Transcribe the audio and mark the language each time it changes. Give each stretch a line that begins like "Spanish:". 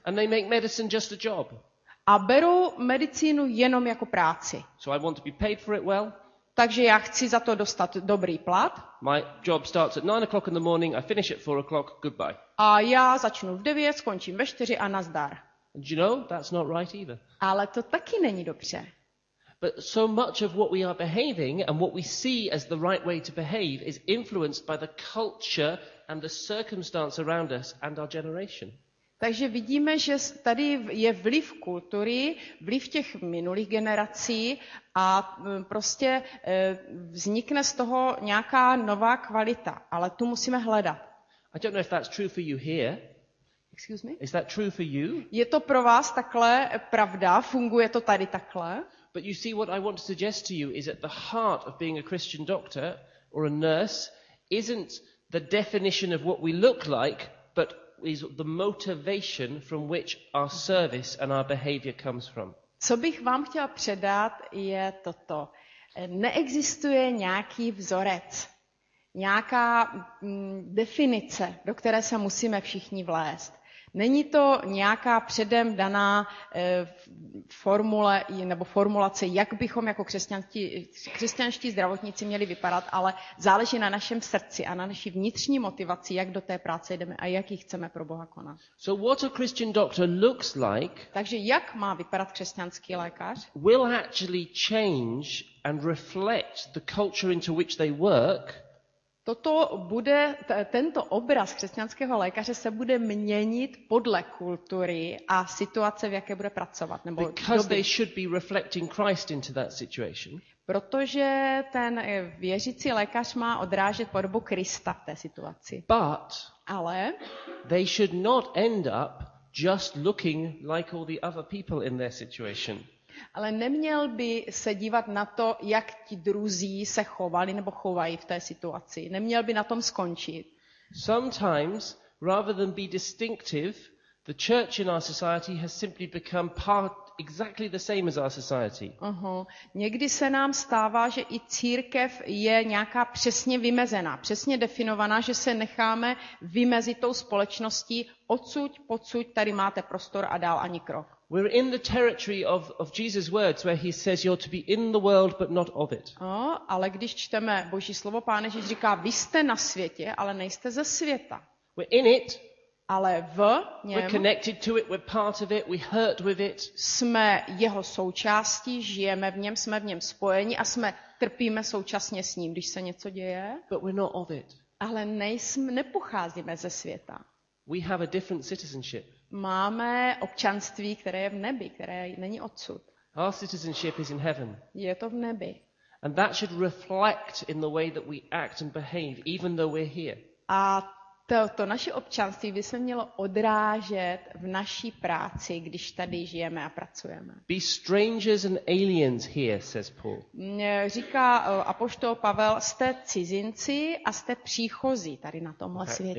English: And they make medicine just a job.
Czech: A berou medicínu jenom jako práci.
English: So I want to be paid for it well.
Czech: Takže já chci za to dostat dobrý plat.
English: My job starts at 9 o'clock in the morning, I finish at 4 o'clock, goodbye.
Czech: A já začnu v 9, skončím ve 4 a nazdar.
English: And you know, that's not right either.
Czech: Ale to taky není dobře.
English: But so much of what we are behaving and what we see as the right way to behave is influenced by the culture and the circumstance around us and our generation.
Czech: Takže vidíme, že tady je vliv kultury, vliv těch minulých generací a prostě vznikne z toho nějaká nová kvalita, ale tu musíme hledat.
English: I don't know if that's true for you here. Excuse me? Is that true for you?
Czech: Je to pro vás takhle pravda? Funguje to tady takhle?
English: But you see, what I want to suggest to you is at the heart of being a Christian doctor or a nurse isn't the definition of what we look like, but is the motivation from which our service and our behavior comes from.
Czech: Co bych vám chtěla předat, je toto. Neexistuje nějaký vzorec. Nějaká definice, do které se musíme všichni vlézt. Není to nějaká předem daná formule nebo formulace, jak bychom jako křesťanští zdravotníci měli vypadat, ale záleží na našem srdci a na naší vnitřní motivaci, jak do té práce jdeme a jak ji chceme pro Boha konat.
English: So what a Christian doctor looks like,
Czech: takže jak má vypadat křesťanský lékař?
English: Will actually change and reflect the culture into which they work.
Czech: Toto bude, tento obraz křesťanského lékaře se bude měnit podle kultury a situace, v jaké bude pracovat. Nebo
English: because they should be reflecting Christ into that situation.
Czech: Protože ten věřící lékař má odrážet podobu Krista v té situaci.
English: But
Czech: ale
English: they should not end up just looking like all the other people in their situation.
Czech: Ale neměl by se dívat na to, jak ti druzí se chovali nebo chovají v té situaci. Neměl by na tom skončit.
English: Sometimes rather than be distinctive, the church in our society has simply become part exactly the same as our society.
Czech: Někdy se nám stává, že i církev je nějaká přesně vymezená, přesně definovaná, že se necháme vymezit tou společností, odsud, pocud, tady máte prostor a dál ani krok.
English: We're in the territory of Jesus' words where he says you're to be in the world but not of it.
Czech: Ale když čteme Boží slovo, Pán Ježíš říká, vy jste na světě, ale nejste ze světa.
English: We're in it.
Czech: Ale v něm.
English: We're connected to it, we're part of it, we hurt with it.
Czech: Jsme jeho součástí, žijeme v něm spojeni a jsme trpíme současně s ním, když se něco děje.
English: But we're not of it.
Czech: Ale nejsme, nepocházíme ze světa.
English: We have a different citizenship.
Czech: Máme občanství, které je v nebi, které není odsud.
English: Our citizenship is in heaven.
Czech: Je to v nebi.
English: And that should reflect in the way that we act and behave, even though we're here.
Czech: A to naše občanství by se mělo odrážet v naší práci, když tady žijeme a pracujeme.
English: Be strangers and aliens here, says Paul.
Czech: Říká apoštol Pavel, jste cizinci a jste příchozí tady na tomhle světě.